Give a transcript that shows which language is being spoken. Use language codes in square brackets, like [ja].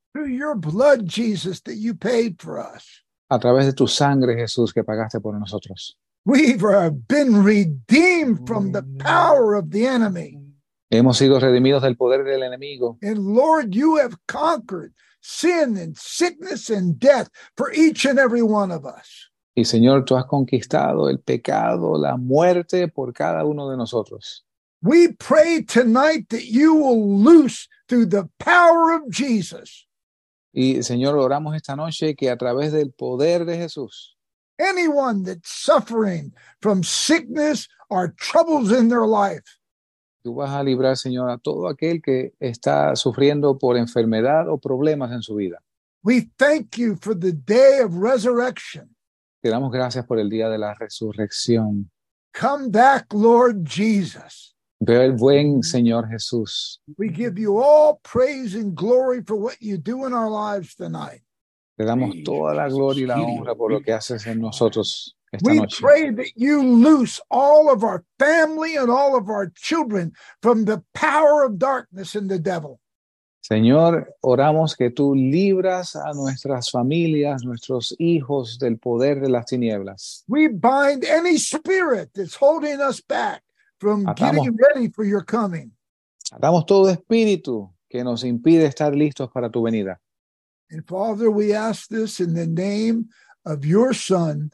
[en] Through your blood, Jesus, that you paid for us. [es] A través de tu sangre, Jesús, que pagaste por nosotros. [en] We have been redeemed from the power of the enemy. [es] Hemos sido redimidos del poder del enemigo. [en] And Lord, you have conquered sin and sickness and death for each and every one of us. [es] Y Señor, tú has conquistado el pecado, la muerte por cada uno de nosotros. [en] We pray tonight that you will loose through the power of Jesus. [es] Y Señor, oramos esta noche que a través del poder de Jesús. [en] Anyone that's suffering from sickness or troubles in their life. [es] Tú vas a librar, Señor, a todo aquel que está sufriendo por enfermedad o problemas en su vida. [en] We thank you for the day of resurrection. [es] Te damos gracias por el día de la resurrección. [en] Come back, Lord Jesus. [es] Buen Señor Jesús. [en] We give you all praise and glory for what you do in our lives tonight. [es] Te damos toda la gloria y la honra por lo que haces en nosotros. [en] We pray that you loose all of our family and all of our children from the power of darkness and the devil. [es] Señor, oramos que tú libras a nuestras familias, nuestros hijos del poder de las tinieblas. [en] We bind any spirit that's holding us back from getting ready for your coming. [es] Atamos todo espíritu que nos impide estar listos para tu venida. [en] And Father, we ask this in the name of your Son.